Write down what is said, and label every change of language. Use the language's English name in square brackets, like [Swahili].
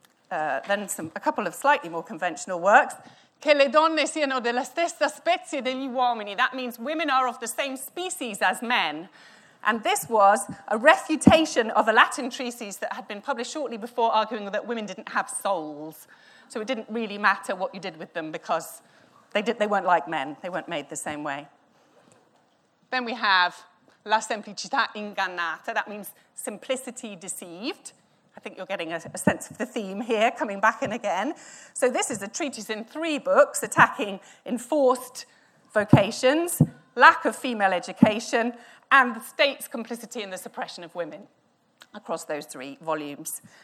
[English] Then a couple of slightly more conventional works. [Italian] Che le donne siano della stessa specie degli uomini. [English] That means women are of the same species as men. And this was a refutation of a Latin treatise that had been published shortly before arguing that women didn't have souls. So it didn't really matter what you did with them because they weren't like men. They weren't made the same way. Then we have La semplicità ingannata. That means simplicity deceived. I think you're getting a sense of the theme here, coming back in again. So this is a treatise in three books attacking enforced vocations, lack of female education, and the state's complicity in the suppression of women across those three volumes.